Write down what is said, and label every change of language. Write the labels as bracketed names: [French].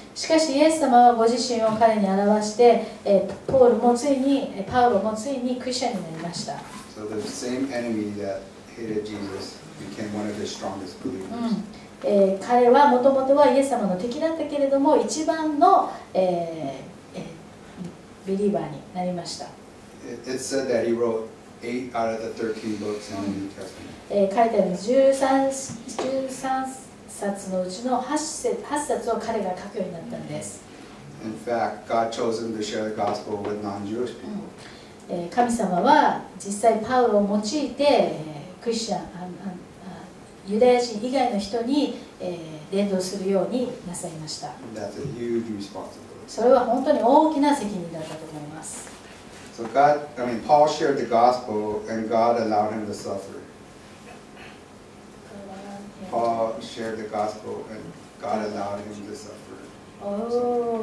[Japanese] しかしイエス様はご自身を彼に表して、ポールもついに、パウロもついにクリスチャンになりました。 [English] So the same enemy that hated Jesus became one of his strongest believers. [Japanese] 彼はもともとはイエス様の敵だったけれども一番の、ビリーバーになりました。 [English] It said that he wrote 8 out of the 13 books in the New Testament. [Japanese] 書いてある13冊のうちの8冊を彼が書くようになったんです。 [English] In fact, God chose him to share the gospel with non-Jewish people. [Japanese] 神様は実際パウロを用いて、クリスチャン、ユダヤ人以外の人に、伝道するようになさいました。 [English] That's a huge responsibility. [Japanese] それは本当に大きな責任だったと思います。 [English] So God, I mean, Paul shared the gospel and God allowed him to suffer. Paul shared the gospel and God allowed him to suffer.